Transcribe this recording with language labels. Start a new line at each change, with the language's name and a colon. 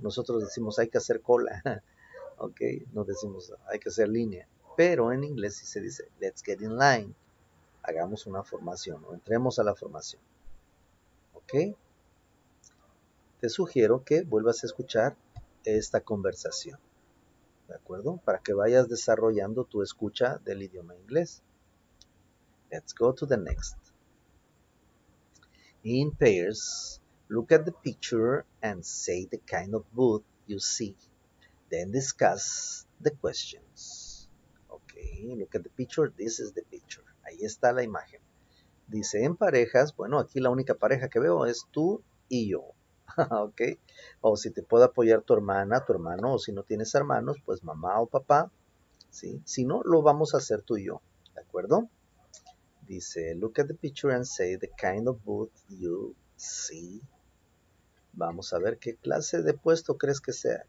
Spanish: Nosotros decimos hay que hacer cola, ¿ok? No decimos hay que hacer línea, pero en inglés sí se dice let's get in line, hagamos una formación o entremos a la formación, ¿ok? Te sugiero que vuelvas a escuchar esta conversación, ¿de acuerdo? Para que vayas desarrollando tu escucha del idioma inglés.
English: Let's go to the next. In pairs, look at the picture and say the kind of booth you see. Then discuss the questions. Ok, look at the picture. This is the picture. Ahí está la imagen.
Spanish: Dice en parejas. Bueno, aquí la única pareja que veo es tú y yo. Ok. O si te puede apoyar tu hermana, tu hermano. O si no tienes hermanos, pues mamá o papá. ¿Sí? Si no, lo vamos a hacer tú y yo. ¿De acuerdo?
English: Dice, look at the picture and say the kind of booth you see.
Spanish: Vamos a ver qué clase de puesto crees que sea.